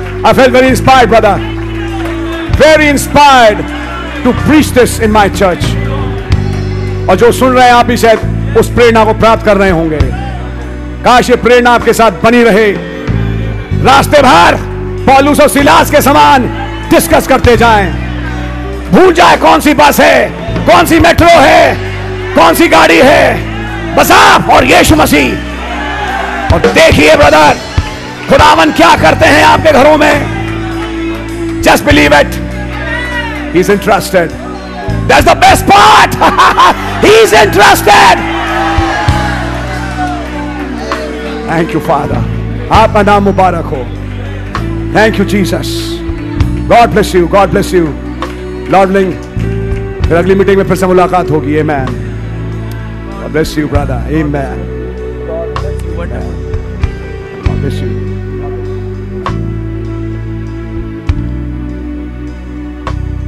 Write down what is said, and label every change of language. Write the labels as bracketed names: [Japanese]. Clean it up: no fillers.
[English] I felt very inspired, brother. Very inspired to preach this in my church. [Hindi] और जो सुन रहे हैं आप भी शायद उस प्रेरणा को प्राप्त कर रहे होंगे। काश ये प्रेरणा आपके साथ बनी रहे। रास्ते भर पौलुस और सिलास के समान डिस्कस करते जाएं। भूल जाए कौन सी बस है, कौन सी मेट्रो है, कौन सी गाड़ी है, बस आप और यीशु मसीह, और देखिए ब्रदर खुदावन क्या करते हैं आपके घरों में। [English] Just believe it, he is interested, that's the best part, he is interested. Thank you father, [Hindi] आपका नाम मुबारक हो। [English] Thank you Jesus, God bless you, God bless you lordling. [Hindi] फिर अगली मीटिंग में फिर से मुलाकात होगी। [English] Amen. Bless you, brother. Amen. God bless you. God bless you.